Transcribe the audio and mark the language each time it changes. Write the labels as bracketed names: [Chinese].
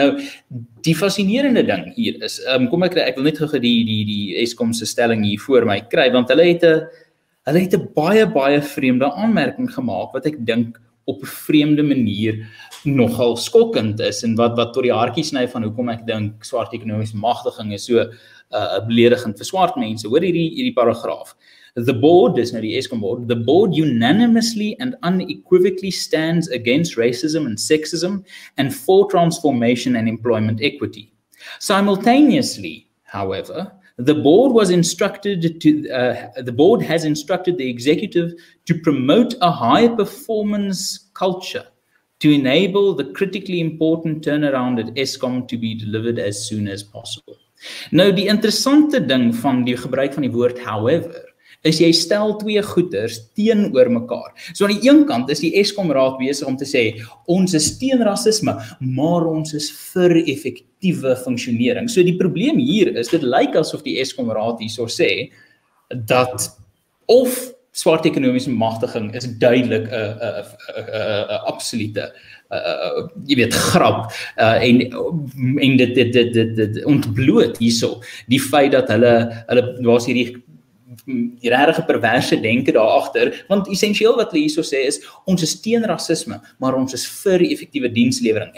[Afrikaans] Nou, die fascinerende ding hier is, ek wil net gou die Eskom se stelling hier voor my kry, want hulle het 'n baie, baie vreemde aanmerking gemaak, wat ek dink op 'n vreemde manier nogal skokkend is, en wat tot die hartjie sny van hoekom ek dink swart ekonomiese magtiging is so beledigend vir swart mense. Hoor hierdie paragraaf. [English] The board, [Afrikaans] dis nou die Eskom board, [English] the board unanimously and unequivocally stands against racism and sexism and for transformation and employment equity. Simultaneously, however, the board has instructed the executive to promote a high performance culture to enable the critically important turnaround at Eskom to be delivered as soon as possible. [Afrikaans] Nou, die interessante ding van die gebruik van die woord however, is jy stel twee goeders teenoor mekaar. So aan die een kant is die Eskom raad besig om te sê, ons is teen rasisme, maar ons is vir effektiewe funksionering. So die probleem hier is, dit lyk asof die Eskom raad hierso sê, dat of swart ekonomiese magtiging is duidelik 'n absolute jy weet grap en dit ontbloot hierso die feit dat hulle was hierdie regtig perverse denke daar agter, want essensieel wat hulle hierso sê is ons is teen rasisme, maar ons is vir effektiewe dienslewering.